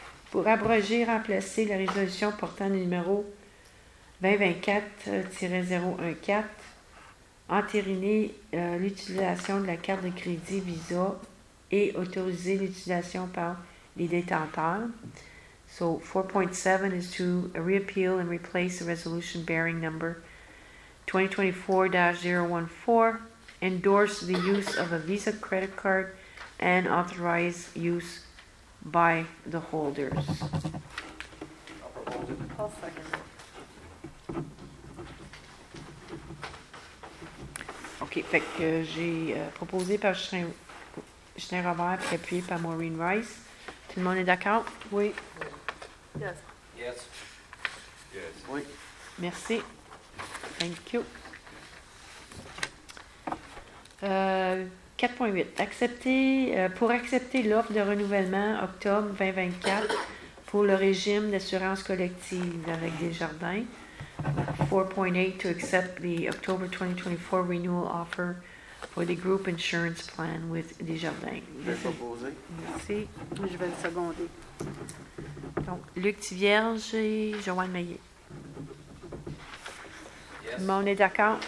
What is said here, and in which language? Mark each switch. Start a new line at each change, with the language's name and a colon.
French: Pour abroger, remplacer la résolution portant le numéro 2024-014, entériner l'utilisation de la carte de crédit Visa et autoriser l'utilisation par les détenteurs.
English: So, 4.7 is to reappeal and replace the resolution bearing number 2024-014, endorse the use of a Visa credit card and authorize use by the holders. I'll propose it. I'll second it.
French: OK, fait que j'ai proposé par Justin Robert, puis appuyé par Maureen Rice. Tout le monde est d'accord? Oui.
English: Yes. Yes. Yes. Yes.
French: Oui. Merci.
English: Thank you.
French: 4.8. Pour accepter l'offre de renouvellement octobre 2024 pour le régime d'assurance collective avec Desjardins. 4.8.
English: To accept the October 2024 renewal offer for the group insurance plan with Desjardins.
French: Je vais proposer. Merci. Je vais le seconder. Donc, Luc Tivierge et Joanne Meillet.
English: Yes.
French: Tout le monde est d'accord?